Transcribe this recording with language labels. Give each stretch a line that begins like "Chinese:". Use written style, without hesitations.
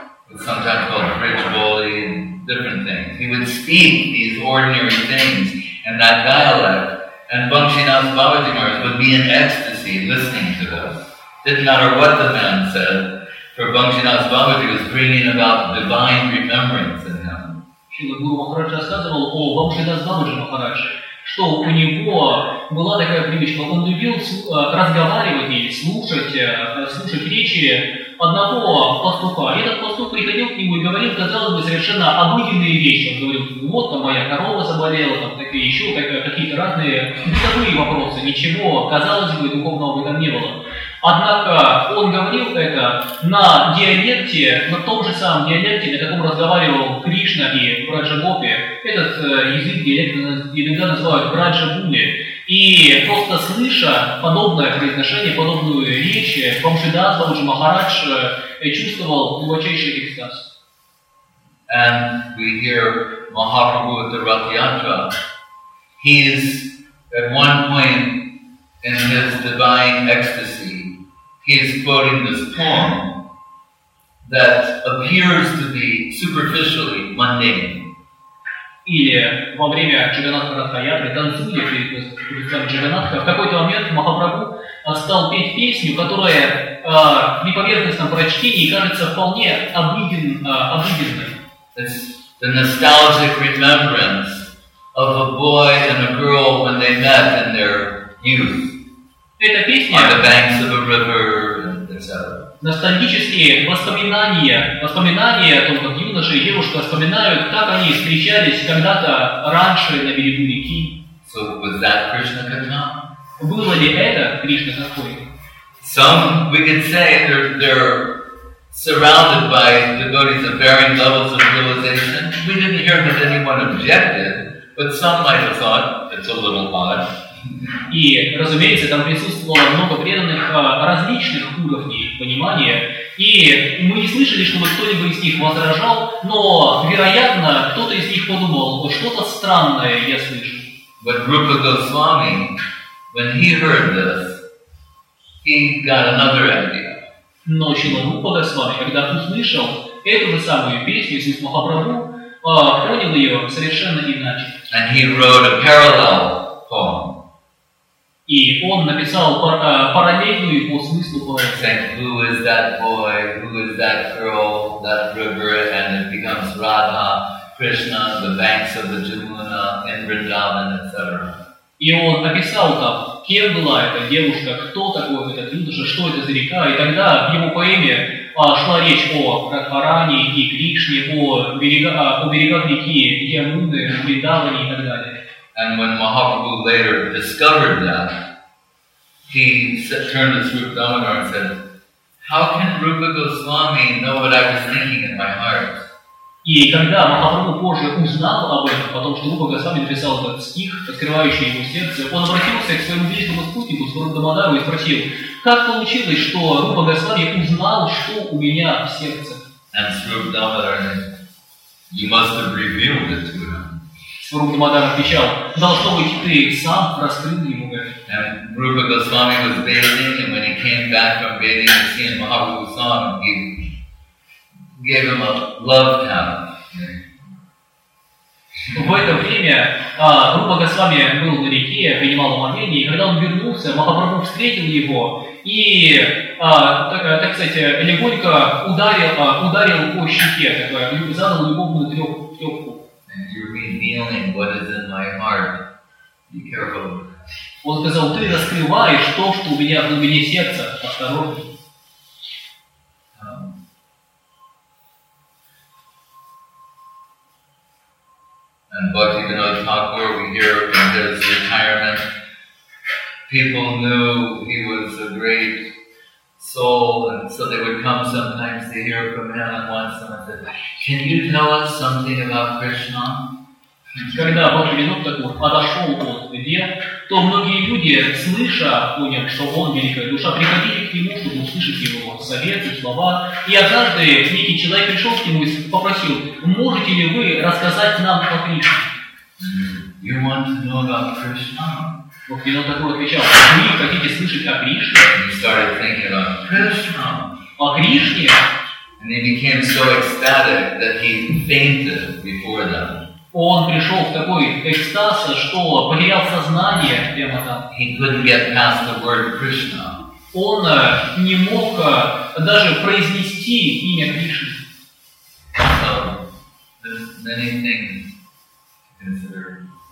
English: It's sometimes called bridge boli and different things. He would speak these ordinary things in that dialect, and Bhangshinath Babaji Maharaj would be in ecstasy listening to this. Didn't matter what the man said, for Bhangshinath Babaji was bringing about divine remembrance in him.
Russian: Srila Guru Maharaj рассказывал о Бхагаванах Бабаджи Махарадж, что у него была такая привычка, он любил разговаривать или слушать речи одного пастуха. И этот пастух приходил к нему и говорил, казалось бы, совершенно обыденные вещи. Он говорил, вот там моя корова заболела, там такие еще какие-то разные бытовые вопросы, ничего, казалось бы, духовного в этом не было. Однако он говорил это на диалекте, на том же самом диалекте, на котором разговаривал Кришна и Враджа-гопи. Этот язык иногда называют Враджа-гуми. И просто слыша подобное произношение, подобную речь, Бхангшидас Бабаджи Махарадж чувствовал глубочайший экстаз.
English: And we hear Mahaprabhu at the Rath Yatra. He is at one point in his divine ecstasy. He is quoting this poem that appears to be superficially mundane.
Russian: Или во время Джаганатха Радхаятры танцуя перед Джаганатха, в какой-то момент Махапрабху стал петь песню, которая при поверхностном прочтении кажется вполне обыденной.
English: It's the nostalgic remembrance of a boy and a girl when they met in their youth.
Russian: Эта песня
English: on the banks of a river,
Russian: ностальгические воспоминания о том, как юноша и девушка вспоминают, как они встречались когда-то раньше на берегу реки.
English: So was that Krishna katha?
Russian: Было ли это Кришна катхой?
English: Some we could say they're surrounded by devotees of varying levels of realization. We didn't hear that anyone objected, but some might have thought it's a little odd.
Russian: И, разумеется, там присутствовало много преданных различных уровней понимания. И мы не слышали, чтобы кто-либо из них возражал, но, вероятно, кто-то из них подумал, вот что-то странное я слышу.
English: But Rupa Goswami, when he heard this, he got another idea.
Russian: Но Шрила Рупа Госвами, когда услышал эту же самую песню из Махапрабху, понял ее совершенно иначе.
English: And he wrote a parallel poem.
Russian: И он написал параллельную по смыслу поэму.
English: Saying, who is that boy, who is that girl, that river, and it becomes Radha, Krishna, the banks of the Jamuna, in Vrindavan, etc.
Russian: И он написал там, кем была эта девушка, кто такой этот юноша, что это за река. И тогда в его поэме шла речь о Радхарани и Кришне, о берегах реки Ямуны, Вриндаване и так далее.
English: And when Mahaprabhu later discovered that, he turned to Srupa Damodara and said, how can Rupa Goswami know what I was thinking in my heart?
Russian: И когда Махапрабху позже узнал об этом, потому что Рупа Госвами написал этот стих, открывающий ему сердце, он обратился к своему вечному спутнику, Сварупа Дамодару, и спросил, как получилось, что Рупа Госвами узнал, что у меня в сердце?
English: And Srupa Damodara said, you must have revealed it to him.
Russian: Сварупа Дамодара отвечал, должно быть, ты сам раскрыл ему это.
English: And Rupa Goswami was bathing, and when he came back from bathing to see Mahaprabhu's song, he gave him a love talent.
Russian: В это время Рупа Госвами был на реке, принимал омовение, и когда он вернулся, Махапрабху встретил его и, так сказать, легонько ударил по щеке, такое, задал любовную трепку.
English: And you're revealing what is in my heart. Be careful.
Russian: Он сказал, ты раскрываешь то, что у меня в глубине сердца. Осторожно.
English: And Bhaktivinoda Thakur, we hear from his retirement, people knew he was a great soul, and so they would come sometimes to hear from him, and once someone said, can you tell us something about Krishna?
Russian: Когда Бхактивинода Такур отошел от дел, то многие люди, слыша о нем, что он великая душа, приходили к нему, чтобы услышать его советы, слова. И однажды некий человек пришел к нему и попросил, можете ли вы рассказать нам о Кришне?
English: You want to know about Krishna?
Russian: Бхактивинода Такур отвечал, вы хотите слышать о Кришне?
English: He started thinking about Krishna.
Russian: О Кришне?
English: And he became so ecstatic that he fainted before them.
Russian: Он пришел в такой экстаз, что потерял сознание прямо там.
English: He couldn't get past the word Krishna.
Russian: Он не мог даже произнести имя Кришны.
English: So, there's many things to consider.